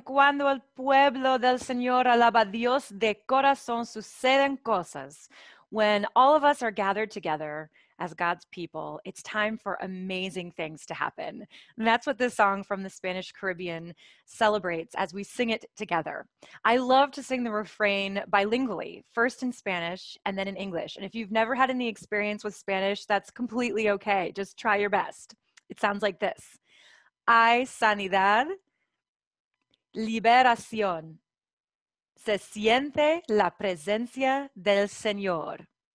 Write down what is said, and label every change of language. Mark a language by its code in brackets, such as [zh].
[es] Cuando el pueblo del Señor alaba a Dios de corazón, suceden cosas. [en] When all of us are gathered together as God's people, it's time for amazing things to happen. And that's what this song from the Spanish Caribbean celebrates as we sing it together. I love to sing the refrain bilingually, first in Spanish and then in English. And if you've never had any experience with Spanish, that's completely okay. Just try your best. It sounds like this. [es] Hay sanidad, liberación, se siente la presencia del Señor.